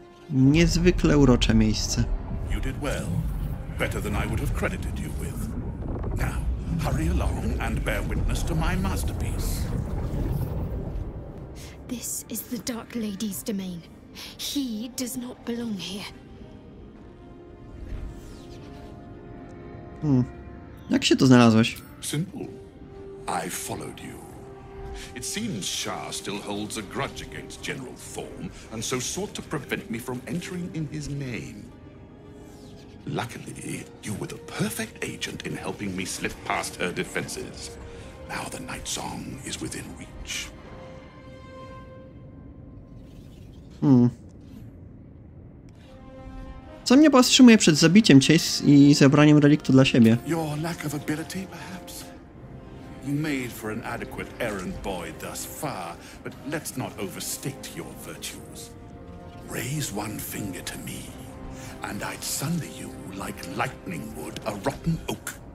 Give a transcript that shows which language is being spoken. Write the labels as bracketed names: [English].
[Polish] Niezwykle urocze miejsce. [English] You did well. Better than I would have credited you with. Now, hurry along and bear witness to my masterpiece. This is the Dark Lady's domain. He does not belong here. [Polish] Jak się tu znalazłeś? [English] Simple. I followed you. It seems Shah still holds a grudge against General Thorne, and so sought to prevent me from entering in his name. Luckily, you were the perfect agent in helping me slip past her defenses. Now the Night Song is within reach. [Polish] Co mnie powstrzymuje przed zabiciem cię i zebraniem reliktu dla siebie? [English] Your lack of ability, perhaps? You made for an adequate errand boy thus far, but let's not overstate your virtues. Raise one finger to me, and I'd sunder you like lightning would a rotten oak.